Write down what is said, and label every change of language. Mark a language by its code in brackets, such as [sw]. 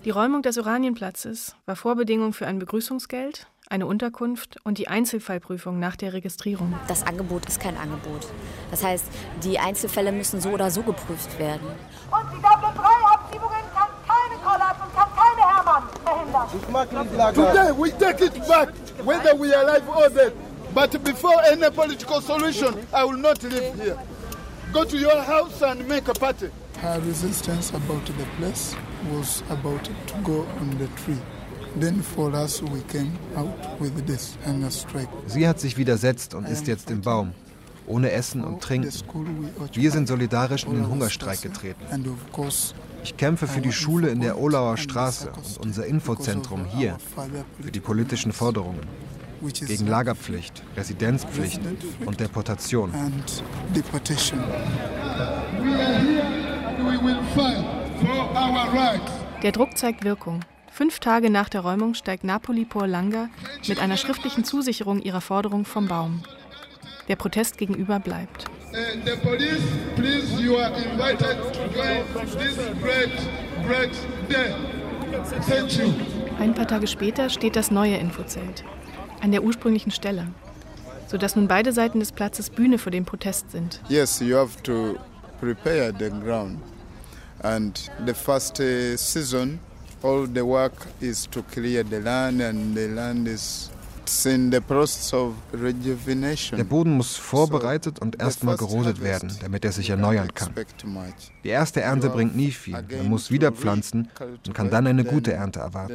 [de] Die Räumung des Oranienplatzes war Vorbedingung für ein Begrüßungsgeld, eine Unterkunft und die Einzelfallprüfung nach der Registrierung. Das Angebot ist kein Angebot. Das heißt, die Einzelfälle müssen so oder so geprüft werden. Und die Dublin-3-Abschiebungen kann keine Kollaps und kann keine Hermann verhindern. [en] Today we take it back, whether we are alive or dead. But before any political solution, I will not live here. Go to your house and make a party. Her resistance about the place was about to go on the tree. Then for us we came out with this hunger strike. [de] Sie hat sich widersetzt und ist jetzt im Baum, ohne Essen und Trinken. Wir sind solidarisch in den Hungerstreik getreten. Ich kämpfe für die Schule in der Olauer Straße und unser Infozentrum hier, für die politischen Forderungen, gegen Lagerpflicht, Residenzpflicht und Deportation. Wir sind hier und wir werden für unsere Rechte kämpfen. Der Druck zeigt Wirkung. 5 Tage nach der Räumung steigt Napoli Por Langa mit einer schriftlichen Zusicherung ihrer Forderung vom Baum. Der Protest gegenüber bleibt. [en] The police, please, you are invited to join this great, great day. Thank you. [de] Ein paar Tage später steht das neue Infozelt an der ursprünglichen Stelle, sodass nun beide Seiten des Platzes Bühne für den Protest sind. [en] Yes, you have to prepare the ground. And the first season, all the work is to clear the land, and the land is in the process of rejuvenation. [de] Der Boden muss vorbereitet und erstmal gerodet werden, damit er sich erneuern kann. Die erste Ernte bringt nie viel. Man muss wieder pflanzen und kann dann eine gute Ernte erwarten.